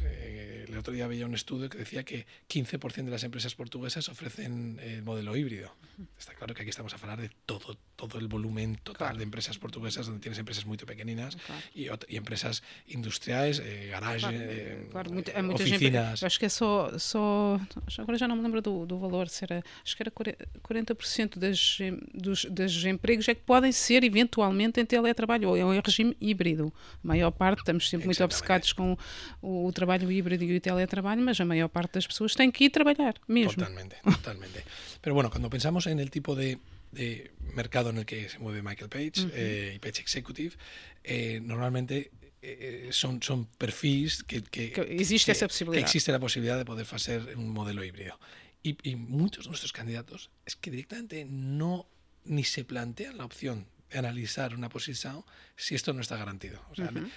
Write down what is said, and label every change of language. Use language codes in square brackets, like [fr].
[es] El otro día veía un estudio que decía que 15% de las empresas portuguesas ofrecen el modelo híbrido. Está claro que aquí estamos a hablar de todo el volumen total, claro, de empresas portuguesas, donde tienes empresas muy pequeñinas, claro, y empresas industriales, garage, claro, claro, muchas oficinas. [pt] Acho que é só, agora já não me lembro do valor, acho que era 40% dos empregos é que podem ser eventualmente em teletrabalho ou em regime híbrido. maior parte, estamos sempre muito obcecados com o trabalho híbrido e o teletrabalho, mas a maior parte das pessoas tem que ir trabalhar mesmo. Totalmente, totalmente. [es] Pero bueno, cuando pensamos en el tipo de mercado en el que se mueve Michael Page, uh-huh. Y Page Executive, normalmente son perfiles que existe la posibilidad de poder hacer un modelo híbrido. Y muchos de nuestros candidatos es que directamente no ni se plantean la opción de analizar una posición si esto no está garantizado. O sea, uh-huh.